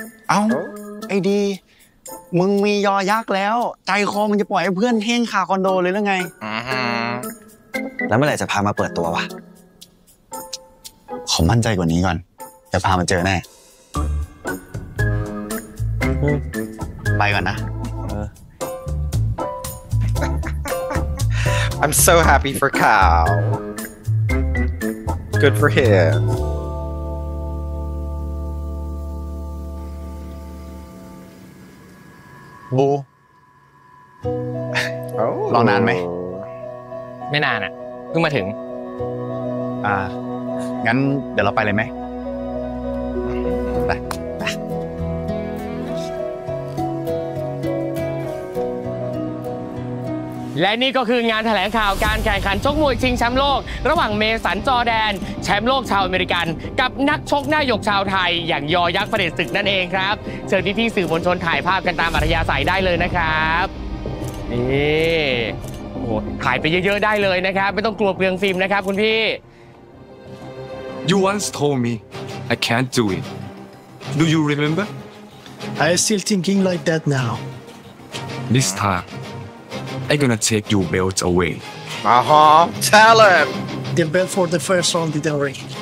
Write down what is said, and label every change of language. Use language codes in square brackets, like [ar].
[th] เอ้าไอ้ดีมึงมียอยักษ์แล้วใจคอมึงจะปล่อยให้เพื่อนเฮงคาคอนโดเลยหรือไง แล้วเมื่อไหร่จะพามาเปิดตัววะ ขอมั่นใจกว่านี้ก่อนจะพามาเจอแน่ไปก่อนนะ [en] I'm so happy for Kyle good for him [th] บูรอนานไหม ไม่นานอ่ะเพิ่งมาถึง งั้นเดี๋ยวเราไปเลยไหมไป และนี่ก็คืองานแถลงข่าวการแข่งขันชกมวยชิงแชมป์โลกระหว่างเมสันจอแดนแชมป์โลกชาวอเมริกันกับนักชกหน้าหยกชาวไทยอย่างยอยักษ์ประเดศศึกนั่นเองครับเชิญพี่ๆสื่อมวลชนถ่ายภาพกันตามอัธยาศัยได้เลยนะครับนี่โหถ่ายไปเยอะๆได้เลยนะครับไม่ต้องกลัวเปลืองฟิล์มนะครับคุณพี่ [en] You once told me I can't do it Do you remember I still thinking like that now This timeI'm gonna take your belt away. Uh-huh. Tell him! The belt for the first round didn't ring.